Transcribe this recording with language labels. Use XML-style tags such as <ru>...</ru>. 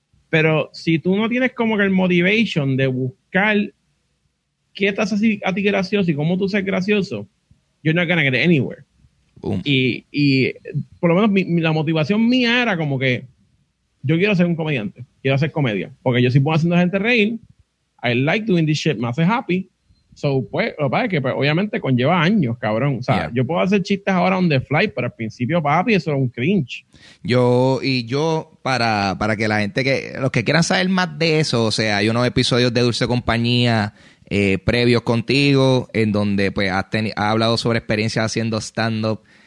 <es>Pero si tú no tienes como que el motivation de buscar qué estás así a ti gracioso y cómo tú ser gracioso, you're not gonna get anywhere. Y por lo menos la motivación mía era como que yo quiero ser un comediante, quiero hacer comedia, porque yo sí puedo haciendo gente reír.</es> <en>I like doing this shit, me hace happy.</en> <es>So, pues, lo que pasa es que pues, obviamente conlleva años, cabrón. O sea, yeah, yo puedo hacer chistes ahora on the fly, pero al principio, papi, eso era un cringe. Yo, para que la gente que, los que quieran saber más de eso, o sea, hay unos episodios de Dulce Compañía previos contigo, en donde pues ha hablado sobre experiencias haciendo stand-up.</es>